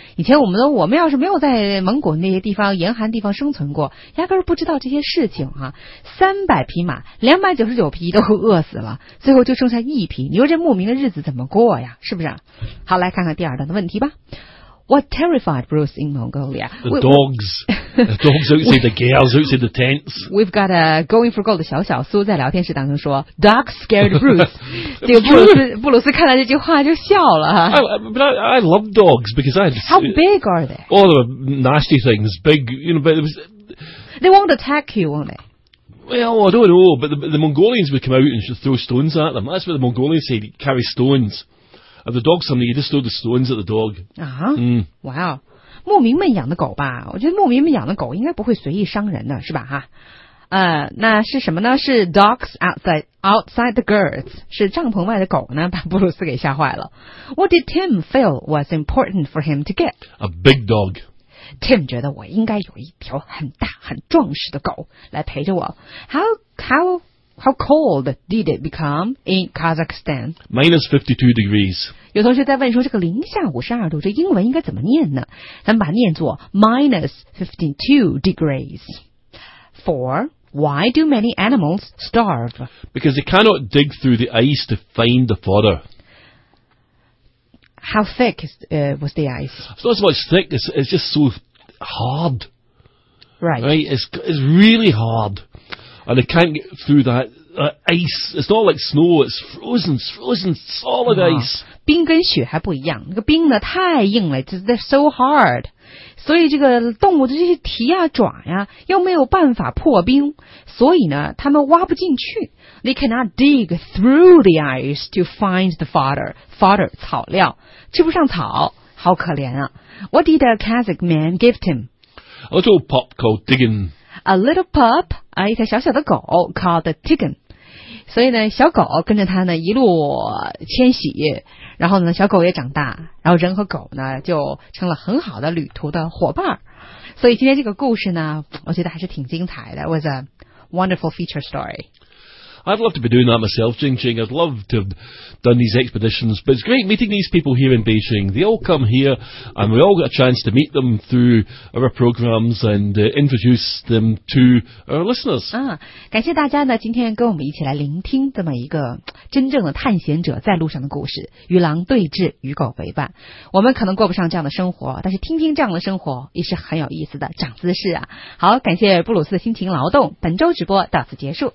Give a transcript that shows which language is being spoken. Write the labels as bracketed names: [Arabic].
[Chinese] 以前我们要是没有在蒙古那些地方严寒地方生存过，压根儿不知道这些事情啊。 300匹马，299匹都饿死了，最后就剩下1匹。你说这牧民的日子怎么过呀？是不是？好，来看看第二段的问题吧。 [English] What terrified Bruce in Mongolia? The dogs outside the girls outside the tents. We've got a going for gold [Chinese] 的小小苏在聊天室当中说 [English] ，Dog scared Bruce. 这个布鲁斯看到这句话就笑了。 I love dogs because I. How big are they? All the nasty things, big, you know, but it was. They won't attack you, won't they? Well, I don't know, but the Mongolians would come out and throw stones at them. That's what the Mongolians say, carry stones. If the dog's something, you just throw the stones at the dog. Wow. [Chinese] 牧民们养的狗吧，我觉得牧民们养的狗应该不会随意伤人的，是吧？哈。那是什么呢？是 [English] dogs outside the girls， [Chinese] 是帐篷外的狗呢，把布鲁斯给吓坏了。 [English] What did Tim feel was important for him to get? A big dog. [Chinese] Tim 觉得我应该有一条很大很壮实的狗来陪着我。 [English] How cold did it become in Kazakhstan? -52 degrees. [Chinese] 有同学在问说这个零下52度这英文应该怎么念呢？咱们把念作 [English] -52 degrees. [Chinese] 4. [English] Why do many animals starve? Because they cannot dig through the ice to find the fodder. How thick was the ice? It's not so much thick, it's just so hard. Right. Right, it's really hard. And they can't get through that ice. It's not like snow, it's frozen solid ice. [Chinese] 冰跟雪还不一样，那个冰呢太硬了， [English] they're so hard. [Chinese] 所以这个动物的这些蹄啊爪呀又没有办法破冰，所以呢他们挖不进去。 [English] They cannot dig through the ice to find the fodder. [Chinese] Fodder, 草料。吃不上草。好可怜啊。 [English] What did a Kazakh man give him? A little pup called Tiggin. A little pup, [Chinese] 一条小小的狗 [English] called Tiggin. [Chinese] 所以呢小狗跟着他呢一路迁徙。然后呢小狗也长大。然后人和狗呢就成了很好的旅途的伙伴。所以今天这个故事呢我觉得还是挺精彩的。 [English] It was a wonderful feature story. I'd love to be doing that myself, Ching Ching. I'd love to have done these expeditions. But it's great meeting these people here in Beijing. They all come here, and we all get a chance to meet them through our programs and introduce them to our listeners. [Chinese] 感谢大家呢，今天跟我们一起来聆听这么一个真正的探险者在路上的故事，与狼对峙，与狗为伴。我们可能过不上这样的生活，但是听听这样的生活也是很有意思的，长姿势啊。好，感谢布鲁斯的辛勤劳动，本周直播到此结束。